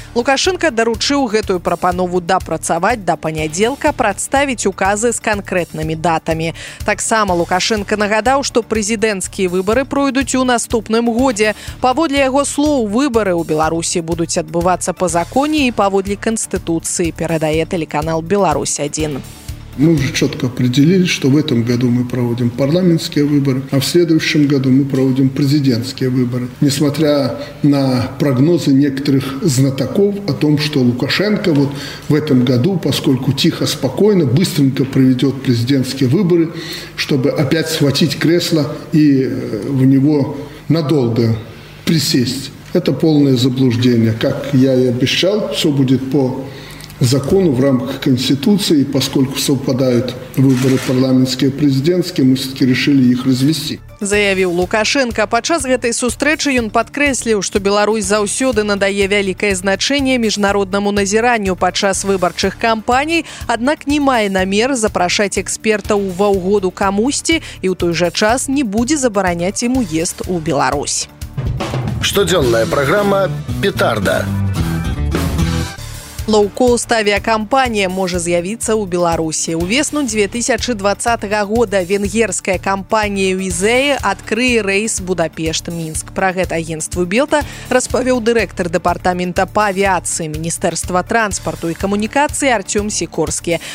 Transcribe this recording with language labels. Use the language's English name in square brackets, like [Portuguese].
[Belarusian] Лукашенко даручыў гэтую прапанову дапрацаваць да панядзелка, прадставіць указы з канкрэтнымі датамі. Таксама Лукашенко нагадаў, што прэзідэнцкія выбары пройдуць у наступным годзе. Паводле яго слоў, выбары ў Беларусі будуць адбывацца па законе і паводле канстытуцыі, перадае тэлеканал «Беларусь-1». [Russian] Мы уже четко определили, что в этом году мы проводим парламентские выборы, а в следующем году мы проводим президентские выборы. Несмотря на прогнозы некоторых знатоков о том, что Лукашенко вот в этом году, поскольку тихо, спокойно, быстренько проведет президентские выборы, чтобы опять схватить кресло и в него надолго присесть. Это полное заблуждение. Как я и обещал, все будет по закону в рамках Конституции, поскольку совпадают выборы парламентские и президентские, мы все-таки решили их развести. [Belarusian] Заявіў Лукашэнка. Падчас гэтай сустрэчы ён падкрэсліў, што Беларусь заўсёды надае вялікае значэнне міжнароднаму назіранню падчас выбарчых кампаній, аднак не мае намер запрашаць экспертаў ва ўгоду камусьці і ў той жа час не будзе забараняць ім уезд у Беларусь. Штодзённая праграма «Петарда». Лоукост авіакампанія можа з'явіцца ў Беларусі. Увесну 2020 года венгерская кампанія «Уізэя» адкрые рэйс Будапешт-Мінск. Пра гэта агенцтву «Белта» распавёў дырэктар дэпартамента па авіацыі Міністэрства транспарту і камунікацыі Артём Сікорскі.